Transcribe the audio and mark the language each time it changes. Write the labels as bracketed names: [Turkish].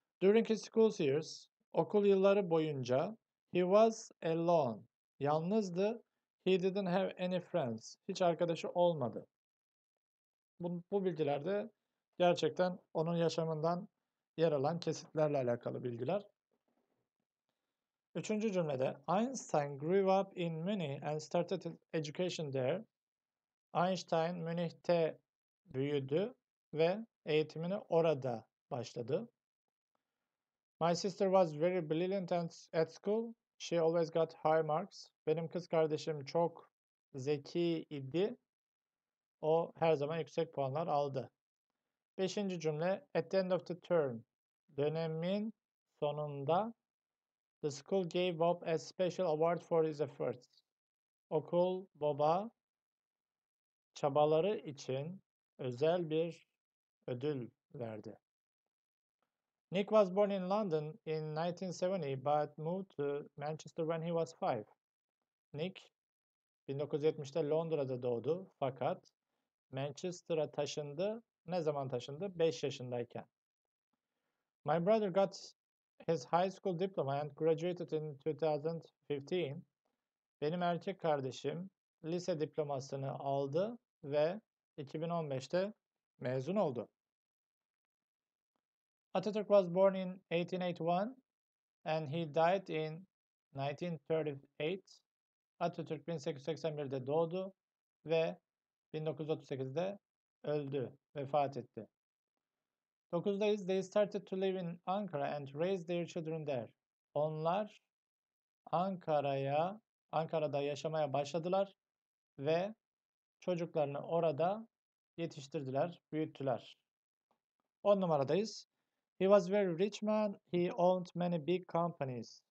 [English] During his school years, [Turkish] okul yılları boyunca, [English] he was alone. [Turkish] Yalnızdı. [English] He didn't have any friends. [Turkish] Hiç arkadaşı olmadı. Bu bilgiler de gerçekten onun yaşamından yer alan kesitlerle alakalı bilgiler. Üçüncü cümlede, [English] Einstein grew up in Munich and started his education there. [Turkish] Einstein Münih'te büyüdü ve eğitimini orada başladı. [English] My sister was very brilliant at school. She always got high marks. [Turkish] Benim kız kardeşim çok zeki idi. O her zaman yüksek puanlar aldı. Beşinci cümle. [English] At the end of the term. [Turkish] Dönemin sonunda. [English] The school gave Bob a special award for his efforts. [Turkish] Okul Bob'a çabaları için özel bir ödül verdi. [English] Nick was born in London in 1970 but moved to Manchester when he was 5. [Turkish] Nick 1970'te Londra'da doğdu fakat Manchester'a taşındı. Ne zaman taşındı? 5 yaşındayken. [English] My brother got his high school diploma and graduated in 2015. [Turkish] Benim erkek kardeşim lise diplomasını aldı ve 2015'te mezun oldu. [English] Atatürk was born in 1881 and he died in 1938. [Turkish] Atatürk 1881'de doğdu ve 1938'de öldü, vefat etti. 9'dayız. [English] They started to live in Ankara and raise their children there. [Turkish] Onlar Ankara'da yaşamaya başladılar ve çocuklarını orada yetiştirdiler, büyüttüler. 10 numaradayız. [English] He was very rich man. He owned many big companies.